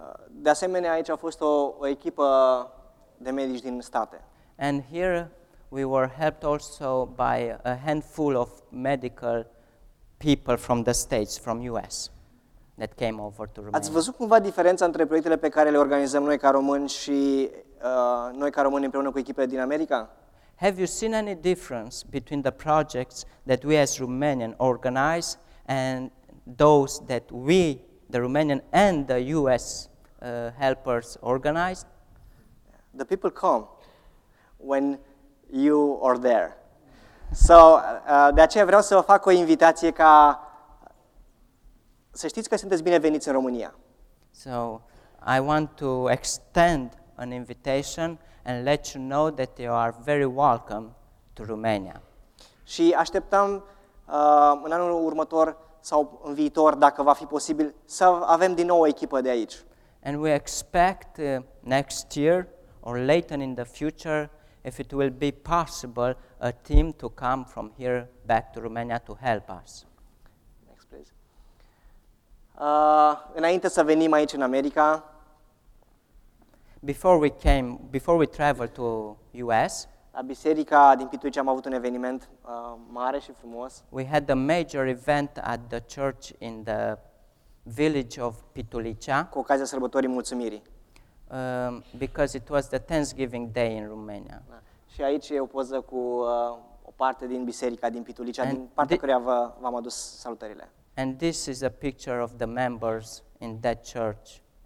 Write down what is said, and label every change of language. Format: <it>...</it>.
<ro>De asemenea, aici a fost o echipă de medici din state.</ro> <en>And here we were helped also by a handful of medical people from the States, from US, that came over to Romania.</en> <ro>Ați văzut cumva diferența între proiectele pe care le organizăm noi ca români și noi ca români împreună cu echipele din America?</ro> <en>Have you seen any difference between the projects that we as Romanian organize and those that we, the Romanian and the US helpers organized? The people come when you are there.</en> <ro>So, de aceea vreau să vă fac o invitație ca să știți că sunteți bineveniți în România.</ro> <en>So, I want to extend an invitation and let you know that you are very welcome to Romania.</en> <ro>Și așteptăm în anul următor sau în viitor, dacă va fi posibil, să avem din nou o echipă de aici.</ro> <en>And we expect next year or later in the future, if it will be possible, a team to come from here back to Romania to help us. Next, please.</en> <ro>Înainte să venim aici în America,</ro> <en>before we traveled to US,</en> <ro>la biserica din Pituici am avut un eveniment mare și frumos.</ro> <en>We had a major event at the church in the village of Pitulicea.</en> <ro>Cu ocazia sărbătorii mulțumirii.</ro> <en>Because it was the Thanksgiving Day in Romania.</en> <ro>Și aici e o poză cu o parte din biserica din Pitulicea, din partea care v-am adus salutările.</ro> <en>And this is a picture of the members in that church.</en>